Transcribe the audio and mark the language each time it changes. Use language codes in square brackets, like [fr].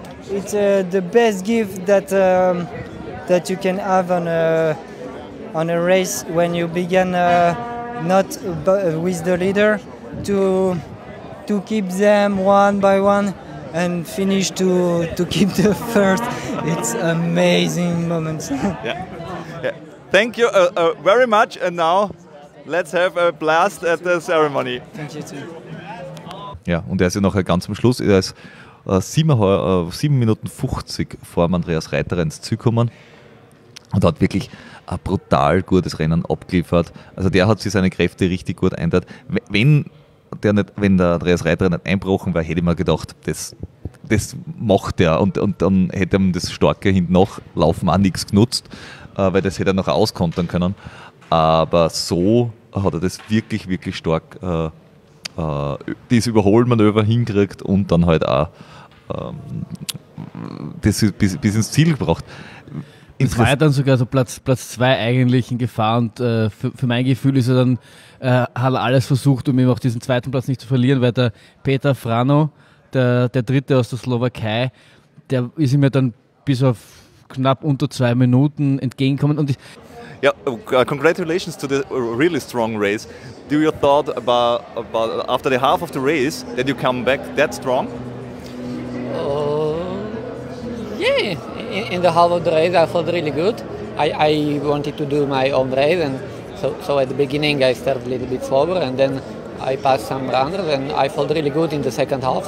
[en] It's the best gift that that you can have on a race when you begin with the leader, to keep them one by one and finish to keep the first. It's amazing moments. Yeah. Thank you very much, and now let's have a blast at the ceremony. Thank you too. [de] Ja, und er ist ja noch ganz am Schluss. Er ist 7 Minuten 50 vor Andreas Reiter ins Ziel gekommen und hat wirklich ein brutal gutes Rennen abgeliefert. Also der hat sich seine Kräfte richtig gut eingeteilt. Wenn der Andreas Reiter nicht einbrochen wäre, hätte ich mir gedacht, das macht er. Und dann hätte ihm das Starke hinten noch laufen auch nichts genutzt, weil das hätte er noch auskontern können. Aber so hat er das wirklich, wirklich stark dieses Überholmanöver hinkriegt und dann halt auch das bis ins Ziel gebracht. Es war ja dann sogar so Platz 2 eigentlich in Gefahr, und für mein Gefühl ist er dann, hat er alles versucht, um ihm auch diesen zweiten Platz nicht zu verlieren, weil der Peter Frano, der Dritte aus der Slowakei, der ist ihm ja dann bis auf knapp unter 2 Minuten entgegengekommen. Und [en] ja, congratulations to the really strong race. Do you thought about after the half of the race that you come back that strong? Yeah, in the half of the race I felt really good. I wanted to do my own race, and so at the beginning I started a little bit slower, and then I passed some runners, and I felt really good in the second half.